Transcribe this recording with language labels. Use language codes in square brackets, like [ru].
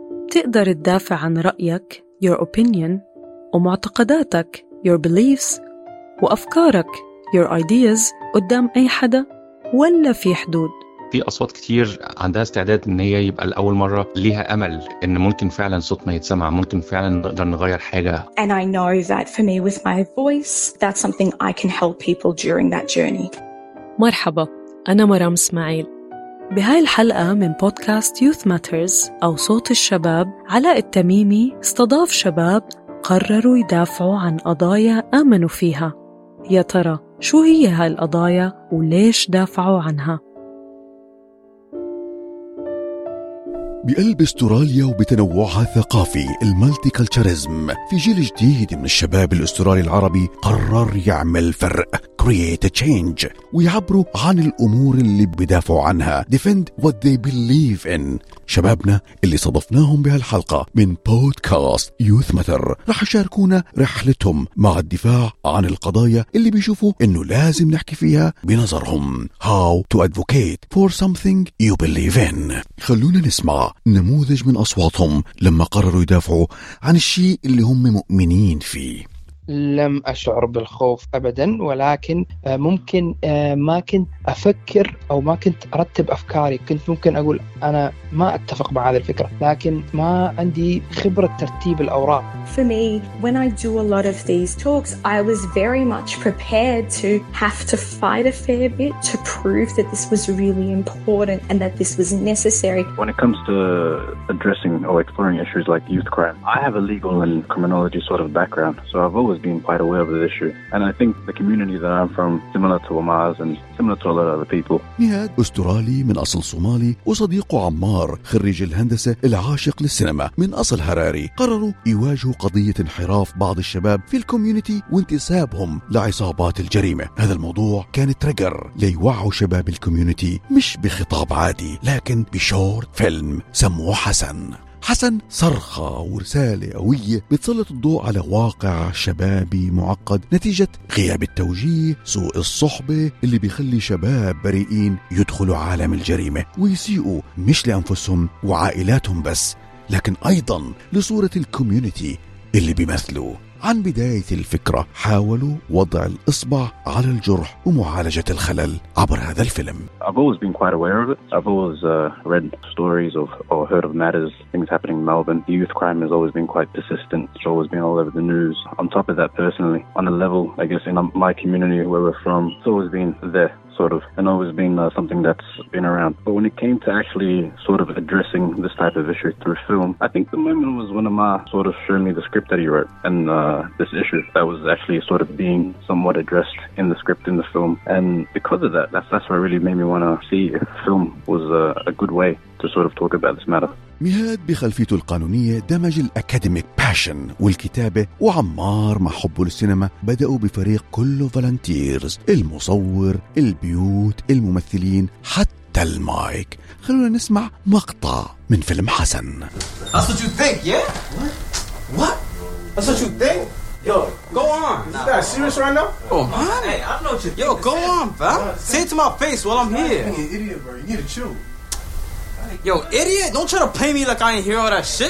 [ar] تقدر تدافع عن رأيك [en] Your Opinion [ar] ومعتقداتك [en] Your Beliefs [ar] وأفكارك [en] Your Ideas [ar] قدام أي حدا ولا في حدود؟ في أصوات كتير عندها استعداد إن هي يبقى الأول مرة ليها أمل إن ممكن فعلا صوتنا يتسمع، ممكن فعلا نقدر نغير حاجة. [en] And I know that for me with my voice, that's something I can help people during that journey. [ar] مرحبا، أنا مرام إسماعيل. بهاي الحلقة من بودكاست Youth Matters أو صوت الشباب، علاء التميمي استضاف شباب قرروا يدافعوا عن قضايا آمنوا فيها. يا ترى شو هي هاي القضايا وليش دافعوا عنها؟ بقلب استراليا وبتنوعها الثقافي المالتيكالتشرزم، في جيل جديد من الشباب الاسترالي العربي قرر يعمل فرق [en] create a change [ar] ويعبروا عن الامور اللي بدافعوا عنها [en] defend what they believe in [ar] شبابنا اللي صدفناهم بهالحلقة من بودكاست يوث ماتر رح يشاركونا رحلتهم مع الدفاع عن القضايا اللي بيشوفوا انه لازم نحكي فيها بنظرهم. [en] How to advocate for something you believe in. [ar] خلونا نسمع نموذج من أصواتهم لما قرروا يدافعوا عن الشيء اللي هم مؤمنين فيه. لم أشعر بالخوف أبدا، ولكن ممكن ما كنت أفكر أو ما كنت أرتب أفكاري، كنت ممكن أقول أنا ما أتفق مع هذه الفكرة، لكن ما عندي خبرة ترتيب الأوراق. [en] For me, when I do a lot of these talks, I was very much prepared to have to fight a fair bit to prove that this was really important and that this was necessary. When it comes to addressing or exploring issues like youth crime, I have a legal and criminology sort of background, so I've always been quite aware of the issue. And I think the community that I'm from, similar to Omar's and similar to a lot of other people. [ar] نهاد أسترالي من أصل صومالي وصديق عمار خريج الهندسة العاشق للسينما من أصل هراري، قرروا يواجه قضية انحراف بعض الشباب في الكوميونتي وانتسابهم لعصابات الجريمة. هذا الموضوع كان تريجر ليوعوا شباب الكوميونتي مش بخطاب عادي، لكن بشورت فيلم سموه حسن. حسن صرخة ورسالة قوية بتسلط الضوء على واقع شبابي معقد نتيجة غياب التوجيه، سوء الصحبة اللي بيخلي شباب بريئين يدخلوا عالم الجريمة ويسيئوا مش لأنفسهم وعائلاتهم بس، لكن أيضا لصورة الكوميونتي اللي بيمثلوا. عن بداية الفكرة حاولوا وضع الإصبع على الجرح ومعالجة الخلل عبر هذا الفيلم. [en] I've always been quite aware of it. I've always read stories of or heard of matters, things happening in Melbourne. The youth crime has always been quite persistent. It's always been all over the news. On top of that, personally, on a level, I guess in my community where we're from, it's always been there. Sort of, and always been something that's been around. But when it came to actually sort of addressing this type of issue through film, I think the moment was when Amar sort of showed me the script that he wrote and this issue that was actually sort of being somewhat addressed in the script in the film. And because of that, that's what really made me want to see if film was a good way to sort of talk about this matter. [ar] مهاد بخلفيته القانونية دمج الأكاديميك باشن والكتابة، وعمار مع حبه للسينما بدأوا بفريق كله فالنتيرز، المصور، البيوت، الممثلين، حتى المايك. خلونا نسمع مقطع من فيلم حسن. [en] That's what you think, yeah? What? That's what you think? Yo, go on. Is that serious right now? Come on. Hey, I don't know what you're thinking. Yo, go on, fam. Say it to my face while I'm here. You're an idiot, bro. You need to chill. Yo, idiot, don't try to play me like I ain't hear all that shit.